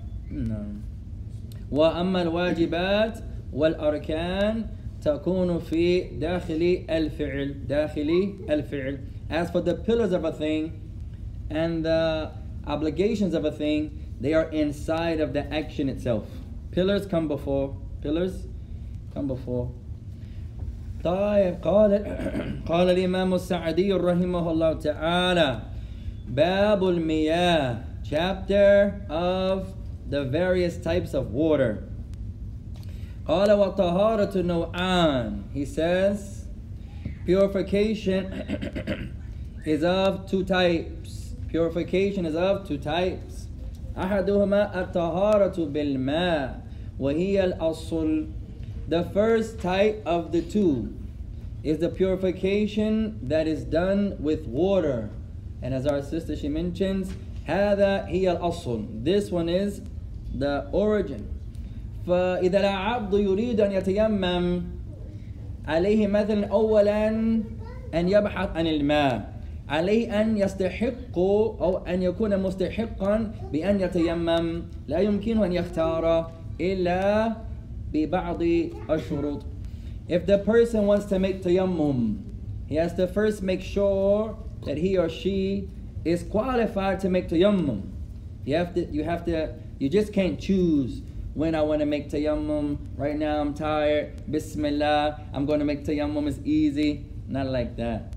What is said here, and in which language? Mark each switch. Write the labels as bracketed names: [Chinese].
[English] No. [Arabic] وَأَمَّا الْوَاجِبَاتِ وَالْأَرْكَانِ تَكُونُ فِي دَاخِلِ الْفِعْلِ دَاخِلِ الْفِعْلِ. [English] As for the pillars of a thing and the obligations of a thing, they are inside of the action itself. Pillars come before. Pillars come before. [Arabic] طيب قال قال الإمام السعدي رحمه الله تعالى باب المياه, [English] chapter of the various types of water. [Arabic] قال وطهارة نوعان. [English] He says purification is of two types. Purification is of two types. [Arabic] أحدهما الطهارة بالماء وهي الأصل. [English] The first type of the two is the purification that is done with water. And as our sister, she mentions, [Arabic] هذا هي الأصل. [English] This one is the origin. [Arabic] فإذا العبد يريد أن يتيمم عليه مثلا أولا أن يبحث عن الماء عليه أن يستحق أو أن يكون مستحقا بأن يتيمم لا يمكن أن يختار إلا ببعض الشروط. [English] If the person wants to make tayammum, he has to first make sure that he or she is qualified to make tayammum. You just can't choose when I want to make tayammum. Right now I'm tired. Bismillah, I'm going to make tayammum. It's easy. Not like that.